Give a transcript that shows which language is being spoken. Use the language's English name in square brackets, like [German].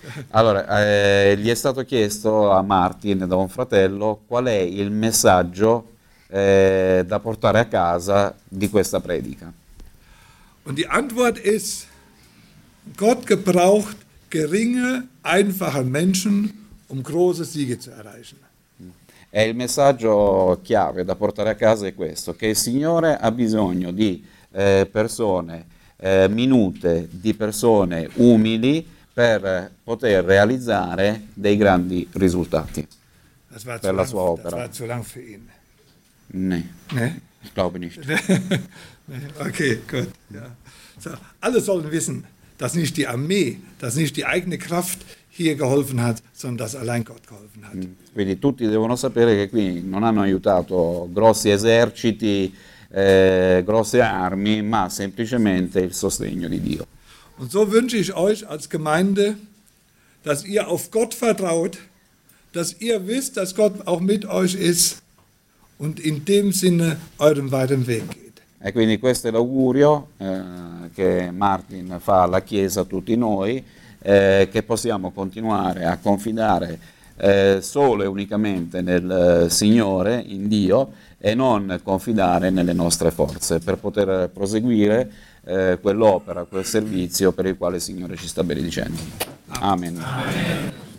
[Italian] Allora, gli è stato chiesto a Martin da un fratello qual è il messaggio da portare a casa di questa predica. [German] Und die Antwort ist: Gott gebraucht geringe, einfache Menschen, um große Siege zu erreichen. [Italian] E il messaggio chiave da portare a casa è questo: che il Signore ha bisogno di persone minute, di persone umili per poter realizzare dei grandi risultati per la sua opera. [German] Das war zu lang für ihn. Nee. Ich glaube nicht. Okay, gut. Ja. So, alle sollen wissen, dass nicht die Armee, dass nicht die eigene Kraft hier geholfen hat, sondern dass allein Gott geholfen hat. [Italian] Quindi tutti devono sapere che qui non hanno aiutato grossi eserciti, grosse armi, ma semplicemente il sostegno di Dio. [German] Und so wünsche ich euch als Gemeinde, dass ihr auf Gott vertraut, dass ihr wisst, dass Gott auch mit euch ist und in dem Sinne euren weiteren Weg geht. [Italian] E quindi questo è l'augurio che Martin fa alla Chiesa, a tutti noi, che possiamo continuare a confidare solo e unicamente nel Signore, in Dio, e non confidare nelle nostre forze per poter proseguire quell'opera, quel servizio per il quale il Signore ci sta benedicendo. Amen. Amen.